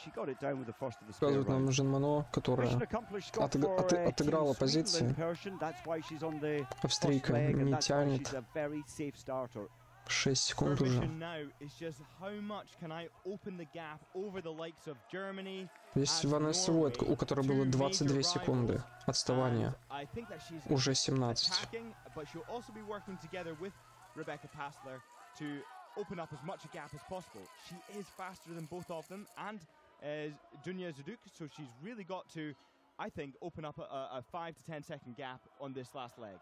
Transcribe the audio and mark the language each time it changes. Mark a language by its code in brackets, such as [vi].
[en] She got it down with the first of the spare rounds. [ru] Jean Monod, которая отыграла [en] позицию. That's why she's on the [ru] Австрийка не тянет. [en] She's a very safe starter. [ru] 6 секунд уже. [en] Now is just how much can I open the gap over the likes of Germany? [ru] Есть Ванесса Войт, у которой было 22 секунды отставания. Уже 17. [en] But she'll also be working together with Rebecca Pastler to open up as much a gap as possible. She is faster than both of them and Dunja Zuduk, so she's really got to, I think, open up a 5 to 10 second gap on this last leg.